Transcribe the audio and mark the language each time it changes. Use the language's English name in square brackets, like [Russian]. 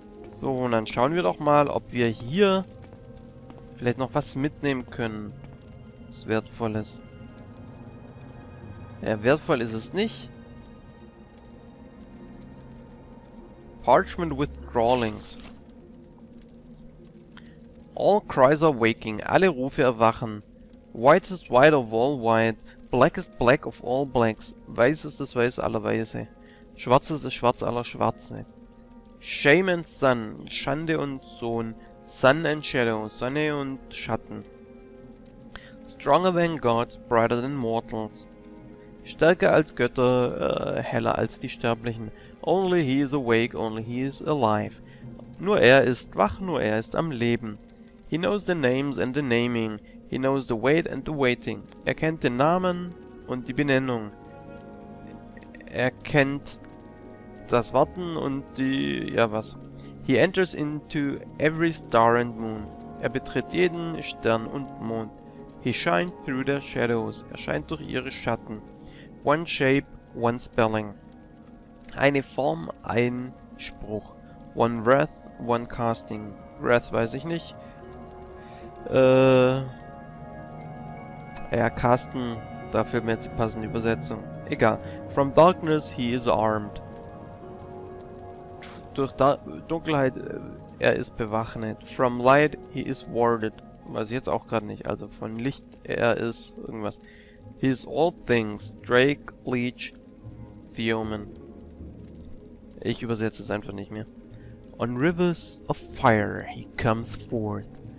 [German] So, und dann schauen wir doch mal, ob wir hier vielleicht noch was mitnehmen können. Was Wertvolles. Ja, wertvoll ist es nicht. [English] Parchment with Drawings. All cries are waking. [German] Alle Rufe erwachen. [English] Whitest white of all white. Blackest black of all blacks. [German] Weiß ist das Weiß aller Weiße. Schwarz ist das Schwarz aller Schwarze. [English] Shame and Sun. [German] Schande und Sohn. [English] Sun and Shadow. [German] Sonne und Schatten. [English] Stronger than gods. Brighter than mortals. [German] Stärker als Götter. Heller als die Sterblichen. [English] Only he is awake. Only he is alive. [German] Nur er ist wach. Nur er ist am Leben. [English] He knows the names and the naming. He knows the wait and the waiting. [German] Er kennt den Namen und die Benennung. Er kennt das Warten und die... ja was. [English] He enters into every star and moon. [German] Er betritt jeden Stern und Mond. [English] He shines through their shadows. [German] Er scheint durch ihre Schatten. [English] One shape, one spelling. [German] Eine Form, ein Spruch. [English] One wrath, one casting. Wrath [German] weiß ich nicht. Ja, Carsten, dafür mir jetzt die passende Übersetzung. Egal. [English] From darkness he is armed. [German] Durch Dunkelheit, er ist bewaffnet. [English] From light he is warded. [German] Weiß ich jetzt auch gerade nicht. Also von Licht, er ist irgendwas. [English] He is all things. Drake, Leech, Theoman. [German] Ich übersetze es einfach nicht mehr. [English] On rivers of fire he comes forth.